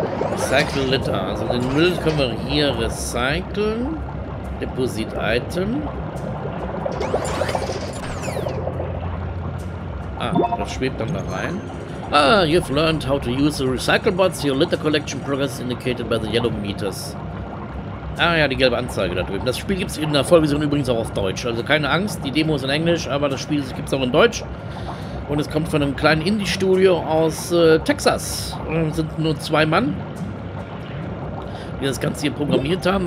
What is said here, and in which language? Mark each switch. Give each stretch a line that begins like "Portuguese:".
English: Recycle Litter.
German: Also den Müll können wir hier recyceln. Deposit Item. Ah, das schwebt dann da rein.
English: Ah, you've learned how to use the recycle bots. Your litter collection progress indicated by the yellow meters.
German: Ah ja, die gelbe Anzeige da drüben. Das Spiel gibt es in der Vollversion übrigens auch auf Deutsch. Also keine Angst, die Demo ist in Englisch, aber das Spiel gibt es auch in Deutsch. Und es kommt von einem kleinen Indie-Studio aus Texas. Es sind nur zwei Mann, die das Ganze hier programmiert haben.